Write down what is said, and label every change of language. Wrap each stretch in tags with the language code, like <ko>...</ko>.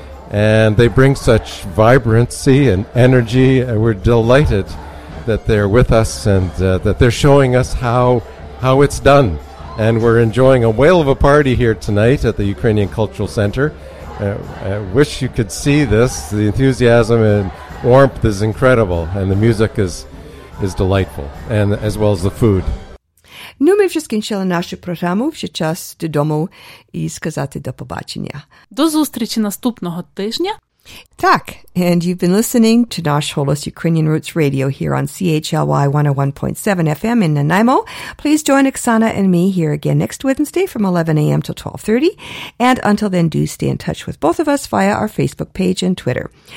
<en>And they bring such vibrancy and energy, and we're delighted that they're with us and that they're showing us how it's done. And we're enjoying a whale of a party here tonight at the Ukrainian Cultural Center. I wish you could see this. The enthusiasm and warmth is incredible, and the music is delightful, and as well as the food.</en> <uk>Ну, ми вже скінчили нашу програму, вже час додому і сказати до побачення. До зустрічі наступного тижня. Так,</uk> <en>and you've been listening to Nash Holos Ukrainian Roots Radio here on CHLY 101.7 FM in Nanaimo. Please join Oksana and me here again next Wednesday from 11 a.m. till 12:30. And until then, do stay in touch with both of us via our Facebook page and Twitter.</en>